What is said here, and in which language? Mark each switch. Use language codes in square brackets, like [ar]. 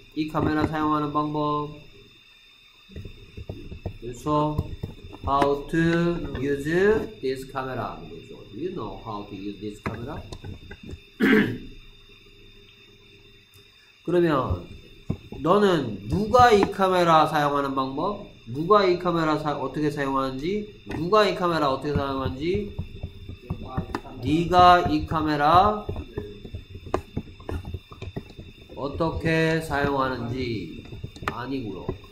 [ko] 이 카메라 사용하는 방법 그렇죠? [en] How to use this camera? Do you know how to use this camera? [ko] 그러면 너는 누가 이 카메라 사용하는 방법? 누가 이 카메라 어떻게 사용하는지? 누가 이 카메라 어떻게 사용하는지? 네가 이 카메라 어떻게 사용하는지 아니고요.